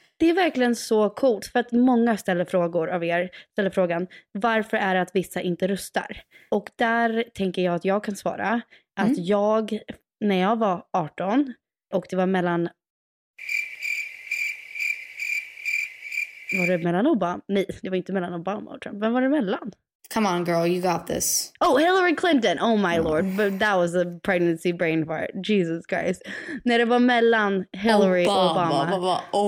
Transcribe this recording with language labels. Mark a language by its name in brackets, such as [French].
[Swedish] det är verkligen så coolt, för att många ställer frågor av er, ställer frågan, varför är det att vissa inte röstar? Och där tänker jag att jag kan svara att jag, när jag var 18 och det var mellan... Var det mellan Obama? Nej, det var inte mellan Obama och Trump. Vem var det mellan? [English] Come on girl, you got this. Oh, Hillary Clinton! Oh my lord, but that was a pregnancy brain fart. Jesus Christ. [Swedish] När det var mellan Hillary och Obama.